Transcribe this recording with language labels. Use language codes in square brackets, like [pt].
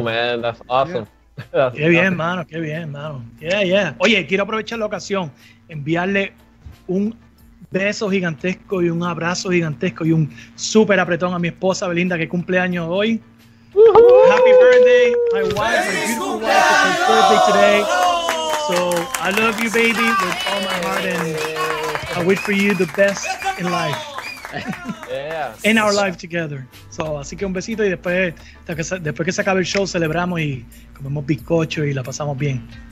[en] Oh man, that's awesome. [es] Yeah. Qué bien, mano. Yeah. Oye, quiero aprovechar la ocasión, enviarle un beso gigantesco y un abrazo gigantesco y un súper apretón a mi esposa Belinda, que cumple años hoy. [en] Woo-hoo! Happy birthday, my wife, my beautiful wife, it's her birthday today. So, I love you, baby, with all my heart, and I wish for you the best in life. Yeah. In our life together. [es] So, así que un besito y después que se acabe el show celebramos y comemos bizcocho y la pasamos bien.